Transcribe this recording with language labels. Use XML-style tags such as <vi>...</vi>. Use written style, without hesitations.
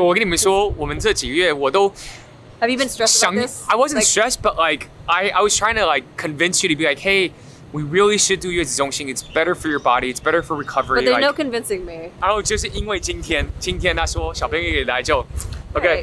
<zh>我跟你们说，我们这几个月我都</zh> <en>Have you been stressed about this? I wasn't like, stressed, but like I was trying to like convince you to be like, hey, we really should do 月子中心. It's better for your body. It's better for recovery. But there's like, no convincing me.</en> <zh>然后就是因为今天他说小朋友也来就 okay.、</zh>